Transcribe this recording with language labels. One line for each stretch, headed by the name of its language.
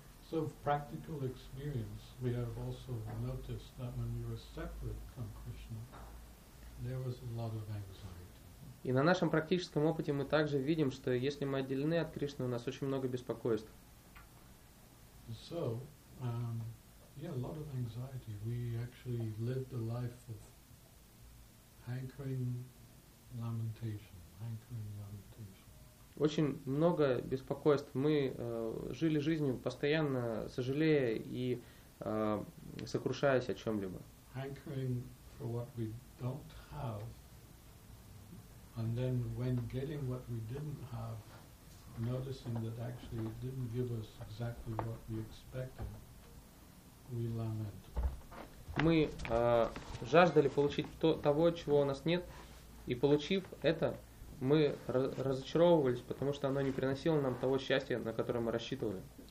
English: So from practical experience, we have also noticed that when you were separate from Krishna, there was a lot of anxiety.
Russian: И на нашем практическом опыте мы также видим, что если мы отделены от Кришны, у нас очень много беспокойств.
English: So, yeah, a lot of anxiety. We actually lived a life of hankering, lamentation, hankering, lamentation.
Russian: Очень много беспокойств. Мы жили жизнью, постоянно сожалея и сокрушаясь о чем-либо.
English: Hankering for what we don't have, and then when getting what we didn't have, noticing that actually it didn't give us exactly what we expected, we lament.
Russian: Мы жаждали получить того, чего у нас нет, и получив это, мы разочаровывались, потому что оно не приносило нам того счастья, на которое мы рассчитывали.